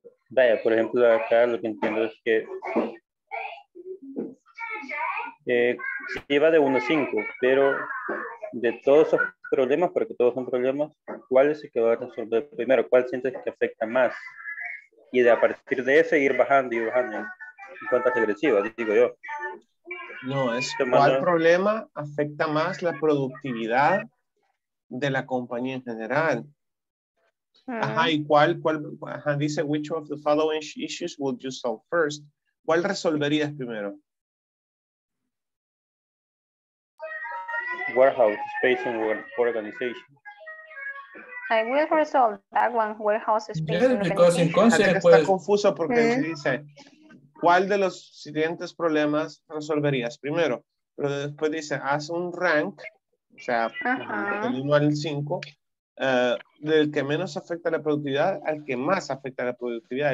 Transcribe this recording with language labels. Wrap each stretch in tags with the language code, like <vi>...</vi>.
<es>Vaya, por ejemplo, acá lo que entiendo es que lleva de 1-5, pero de todos esos problemas, porque todos son problemas, ¿cuál es el que va a resolver primero? ¿Cuál sientes que afecta más? Y de a partir de ese ir bajando y bajando en cuentas regresivas, digo yo. No, es ¿cuál problema afecta más la productividad de la compañía en general? Ajá, ¿y cuál ajá, dice,</es> <en>which of the following issues would you solve first?</en> <es>¿Cuál resolverías primero?</es> <en>Warehouse, space and organization. I will resolve that one, warehouse, space and organization.</en> <es>Está confuso porque dice, ¿cuál de los siguientes problemas resolverías primero? Pero después dice, haz un rank, o sea, del 1 al 5. Del que menos afecta la productividad al que más afecta la productividad.</es>